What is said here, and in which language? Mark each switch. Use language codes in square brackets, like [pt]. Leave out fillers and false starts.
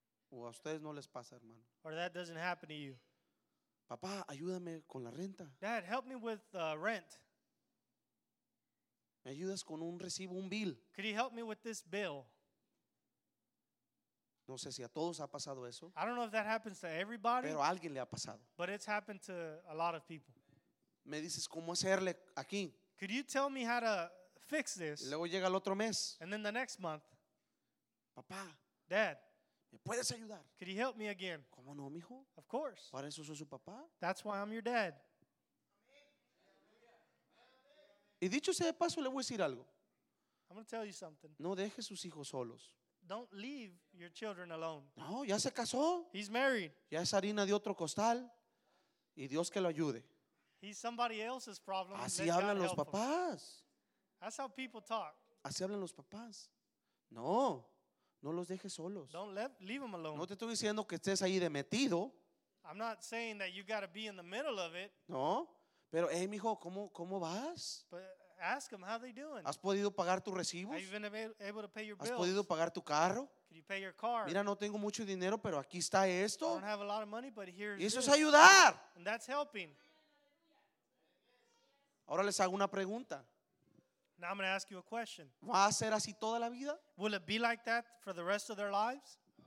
[es] O a ustedes no les pasa, hermano. [en] Or that doesn't happen to you. [es] Papá, ayúdame con la renta. [en] Dad, help me with the rent. [es] ¿Me ayudas con un recibo, un bill? [en] Could you help me with this bill? [es] No sé si a todos ha pasado eso. [en] I don't know if that happens to everybody. [es] Pero a alguien le ha pasado. [en] But it's happened to a lot of people. [es] ¿Me dices cómo hacerle aquí? [en] Could you tell me how to fix this? [es] Luego llega el otro mes. [en] And then the next month. [es] Papá. [en] Dad. [es] ¿Me puedes ayudar? [en] Could you help me again? [es] ¿Cómo no, mijo? [en] Of course. [es] ¿Para eso soy su papá? [en] That's why I'm your dad. [es] Y dicho sea de paso, le voy a decir algo. [en] I'm going to tell you something. [es] No deje sus hijos solos. [en] Don't leave your children alone. [es] No, ya se casó. [en] He's married. [es] Ya es harina de otro costal. Y Dios que lo ayude. [en] He's somebody else's problem. [es] Así hablan los papás. [en] That's how people talk. [es] Así hablan los papás. No. No los dejes solos. [en] Don't leave them alone. [es] No te estoy diciendo que estés ahí de metido. [en] I'm not saying that you got to be in the middle of it. [es] No. Pero, hey, mijo, ¿cómo vas? [en] But ask them how they doing. [es] ¿Has podido pagar tus recibos? [en] Have you been able to pay your [es] ¿Has [en] bills? [es] Podido pagar tu carro? [en] Can you pay your car? [es] Mira, no tengo mucho dinero, pero aquí está esto. [en] I don't have a lot of money, but here's [es] y eso [en] this. [es] Es ayudar. [en] And that's helping. [es] Ahora les hago una pregunta. [en] Now I'm going to ask you a question. [es] ¿Va a ser así toda la vida? [en] Will it be like that for the rest of their lives?